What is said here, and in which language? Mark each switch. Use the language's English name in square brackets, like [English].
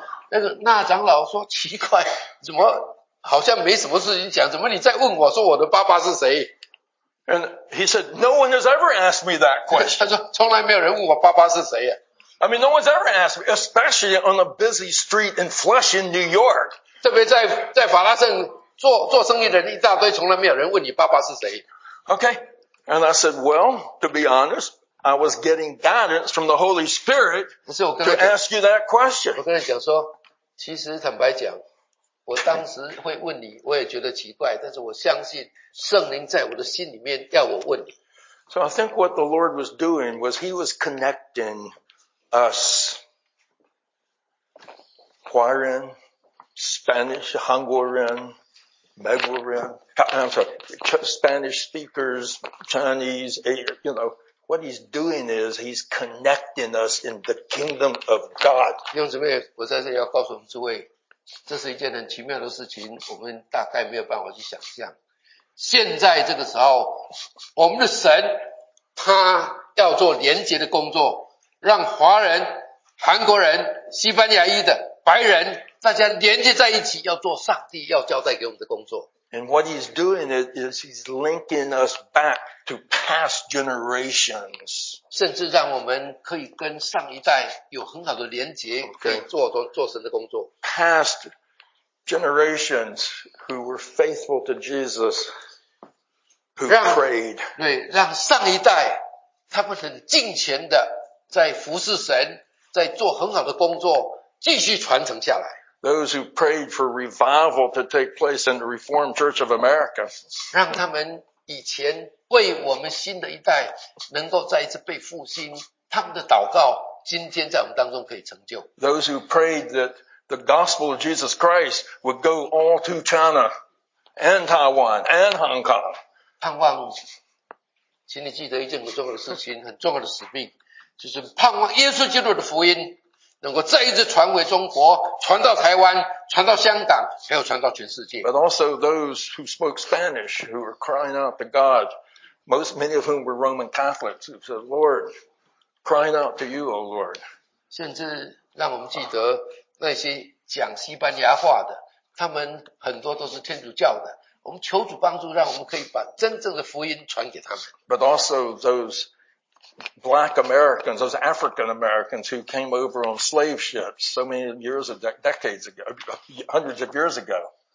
[Chinese] 那个那长老说奇怪，怎么好像没什么事情讲，怎么你在问我说我的爸爸是谁？ [English] And he said, no one has ever asked me that question. [Chinese] 他说从来没有人问我爸爸是谁 [English] 啊。I mean, no one's ever asked me, especially on a busy street in Flushing, New York. [Chinese] 特别在法拉盛做生意的人一大堆，从来没有人问你爸爸是谁。 [English] Okay. And I said, well, to be honest, I was getting guidance from the Holy Spirit to ask you that question. [Chinese] 我跟他讲说，其实坦白讲，我当时会问你，我也觉得奇怪，但是我相信圣灵在我的心里面要我问你。 [English] So I think what the Lord was doing was he was connecting us, Hwarin, Spanish, Hangorin,Spanish speakers, Chinese, you know, what he's doing is he's connecting us in the kingdom of God. [Chinese] 弟兄姊妹，我在这里要告诉我们诸位，这是一件很奇妙的事情，我们大概没有办法去想象。现在这个时候，我们的神他要做连结的工作，让华人、韩国人、西班牙裔的白人大家连接在一起，要做上帝要交代给我们的工作。 [English] And what he's doing is he's linking us back to past generations. [Chinese] 甚至让我们可以跟上一代有很好的连接， [English] okay. [Chinese] 可以做神的工作。 [English] Past generations who were faithful to Jesus, who prayed. [Chinese] 对，让上一代他们很敬虔的在服侍神，在做很好的工作，继续传承下来。 [English] Those who prayed for revival to take place in the Reformed Church of America. [Chinese] 让他们以前为我们新的一代能够再一次被复兴，他们的祷告今天在我们当中可以成就。 [English] Those who prayed that the gospel of Jesus Christ would go all to China and Taiwan and Hong Kong. [Chinese] 盼望，请你记得一件很重要的事情，很重要的使命，就是盼望耶稣基督的福音能够再一次传回中国，传到台湾，传到香港，还有传到全世界。 [English] But also those who spoke Spanish, who were crying out to God, many of whom were Roman Catholics, who said, Lord, crying out to you, O Lord. [Chinese] 甚至让我们记得那些讲西班牙话的，他们很多都是天主教的。我们求主帮助，让我们可以把真正的福音传给他们。 [English] But also those. Black Americans, those African Americans who came over on slave ships so many years of decades ago, hundreds of years ago.